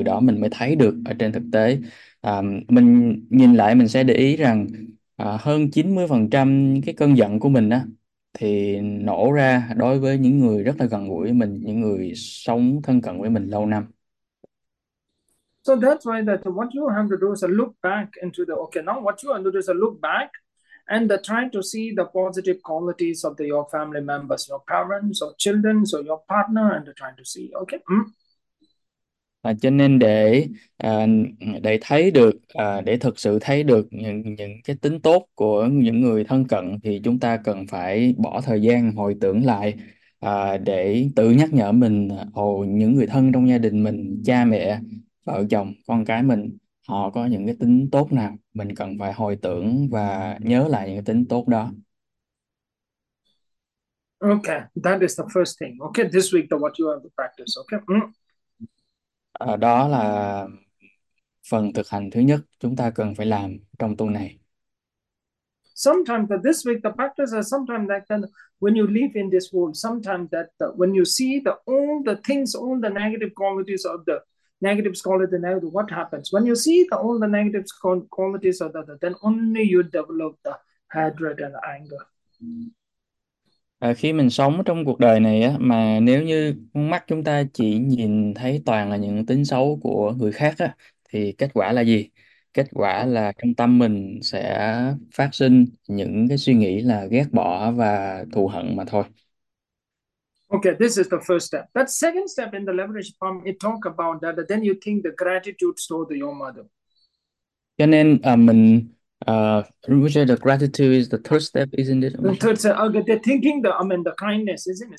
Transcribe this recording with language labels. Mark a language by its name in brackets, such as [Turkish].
[Vietnamese] Từ đó mình mới thấy được ở trên thực tế. Mình nhìn lại mình sẽ để ý rằng hơn 90% cái cơn giận của mình á thì nổ ra đối với những người rất là gần gũi với mình, những người sống thân cận với mình lâu năm. [English] So that's why that what you have to do is a look back into the okay. Now what you have to do is a look back and try to see the positive qualities of the, your family members, your parents or children or your partner, and trying to see, okay. [Vietnamese] Cho nên để thấy được để thực sự thấy được những cái tính tốt của những người thân cận thì chúng ta cần phải bỏ thời gian hồi tưởng lại để tự nhắc nhở mình những người thân trong gia đình mình, cha mẹ, vợ chồng, con cái mình, họ có những cái tính tốt nào mình cần phải hồi tưởng và nhớ lại những cái tính tốt đó. [English] Okay, that is the first thing. Okay, this week the what you have to practice. Okay. [Vietnamese] Đó là phần thực hành thứ nhất chúng ta cần phải làm trong tuần này. [English] Sometimes that this week the practice is sometimes that kind of, when you live in this world, sometimes that the, when you see the all the things, all the negative qualities of the negative quality, the negative, what happens? When you see the all the negative qualities of the other, then only you develop the hatred and anger. [Vietnamese] Khi mình sống trong cuộc đời này á, mà nếu như mắt chúng ta chỉ nhìn thấy toàn là những tính xấu của người khác á, thì kết quả là gì? kết quả là trong tâm mình sẽ phát sinh những cái suy nghĩ là ghét bỏ và thù hận mà thôi. [English] Okay, this is the first step. But second step in the leverage problem, it talk about that, then you think the gratitude store to your mother. [Vietnamese] Cho nên mình [English] the gratitude is the third step, isn't it, The Amisha? third step, okay, the thinking, the, I mean, the kindness, isn't it?